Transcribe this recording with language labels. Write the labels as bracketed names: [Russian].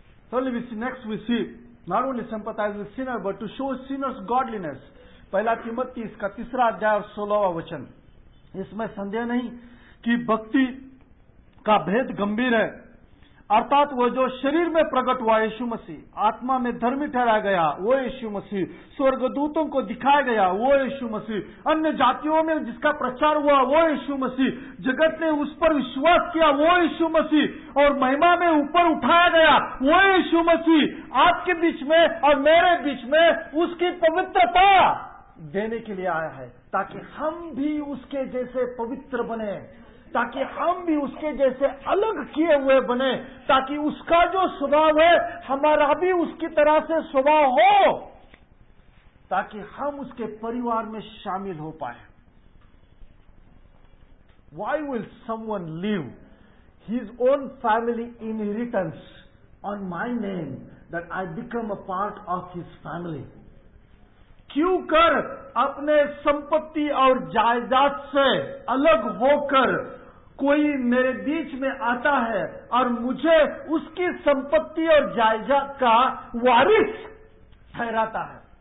[English] Thirdly, next we see, not only sympathize with sinner, but to show sinner's godliness. [Hindi] पहला तिमोथी इसका तीसरा अध्याय 16वां वचन. इसमें संदेह नहीं कि भक्ति का भेद गंभीर है, अर्थात वह जो शरीर में प्रकट हुआ यीशु मसीह, आत्मा में धर्मी ठहराया गया वो यीशु मसीह, स्वर्गदूतों को दिखाया गया वो यीशु मसीह, अन्य जातियों में जिसका प्रचार हुआ वो यीशु मसीह, जगत ने उस पर विश्वास किया वो यीशु मसीह, और महिमा में ऊपर उठाया गया वो यीशु मसीह, आपके बीच में और मेरे बीच में उसकी पवित्रता देने के लिए आया है, ताकि हम भी उसके जैसे पवित्र बने, ताकि हम भी उसके जैसे अलग किए हुए बने, ताकि उसका जो स्वभाव है हमारा भी उसकी तरह से स्वभाव हो, ताकि हम उसके परिवार में शामिल हो पाए. [English] Why will someone leave his own family inheritance on my name that I become a part of his family? [Hindi] क्यों कर अपने संपत्ति और जायदाद से अलग होकर कोई मेरे बीच में आता है और मुझे उसकी संपत्ति और जायदाद का वारिस ठहराता है?